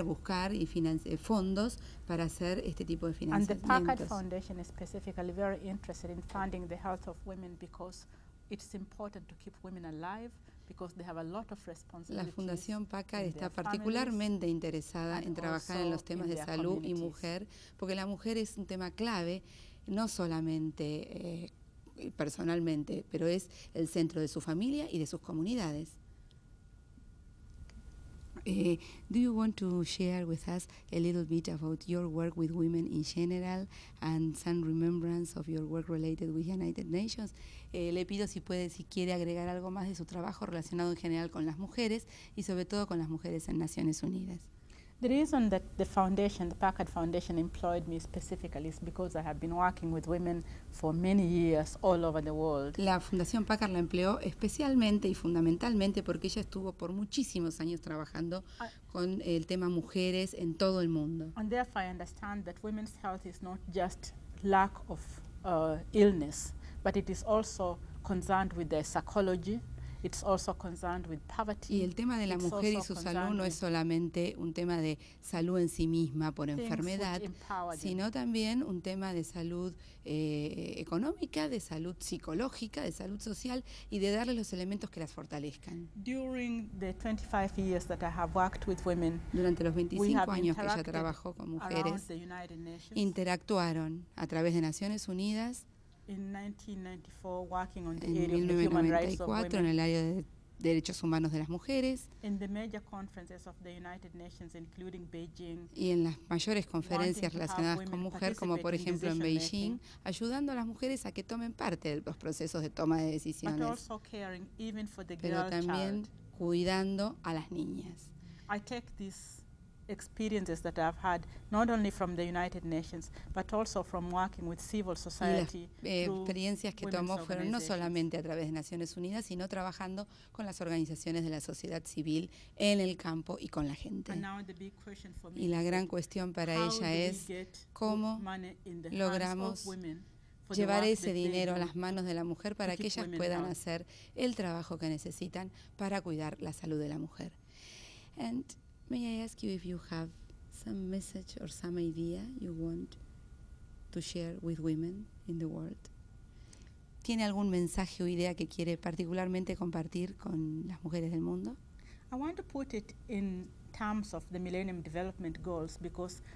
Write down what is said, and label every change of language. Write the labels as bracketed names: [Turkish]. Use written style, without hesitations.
[Spanish] por encontrar, buscar y fondos para hacer este tipo de financiamientos. [English] And the Packard Foundation is specifically very interested in funding the health of women because it's important to keep women alive because they have a lot of responsibilities. [Spanish] La Fundación Packard está particularmente interesada en trabajar en los temas de salud y mujer porque la mujer es un tema clave, no solamente personalmente, pero es el centro de su familia y de sus comunidades. [English] Do you want to share with us a little bit about your work with women in general and some remembrance of your work related with United Nations? [Spanish] Le pido si puede, si quiere agregar algo más de su trabajo relacionado en general con las mujeres y sobre todo con las mujeres en Naciones Unidas. [English] The reason that the foundation, the Packard Foundation, employed me specifically is because I have been working with women for many years all over the world. [Spanish] La Fundación Packard la empleó especialmente y fundamentalmente porque ella estuvo por muchísimos años trabajando con el tema mujeres en todo el mundo. [English] And therefore I understand that women's health is not just lack of illness, but it is also concerned with their psychology. It's also concerned with poverty. [Spanish] Y el tema de la [English] It's [Spanish] mujer y su salud no es solamente un tema de salud en sí misma por enfermedad, sino también un tema de salud económica, de salud psicológica, de salud social y de darle los elementos que las fortalezcan. [English] During the 25 years that I have worked with women, [Spanish] durante los 25 años que ella trabajó con mujeres, interactuaron a través de Naciones Unidas. [English] In 1994, working on the en area 1994, of the human rights of women. [Spanish] En el área de derechos humanos de las mujeres. [English] In the major conferences of the United Nations, including Beijing. [Spanish] Y en las mayores conferencias relacionadas con mujer, como por ejemplo en Beijing, ayudando a las mujeres a que tomen parte de los procesos de toma de decisiones. [English] But also caring even for the [Spanish] pero [English] girl [Spanish] también [English] child. [Spanish] Cuidando a las niñas. [English] I take this experiences that I've had, not only from the United Nations, but also from working with civil society. [Spanish] Experiencias que tomó fueron no solamente a través de Naciones Unidas, sino trabajando con las organizaciones de la sociedad civil en el campo y con la gente. Y la gran cuestión para ella es cómo logramos llevar ese dinero a las manos de la mujer para que ellas puedan hacer el trabajo que necesitan para cuidar la salud de la mujer. [English] And may I ask you if you have some message or some idea you want to share with women in the world? [Spanish] ¿Tiene algún mensaje o idea que quiere particularmente compartir con las mujeres del mundo? [English] I want to put it in terms of the Millennium Development Goals because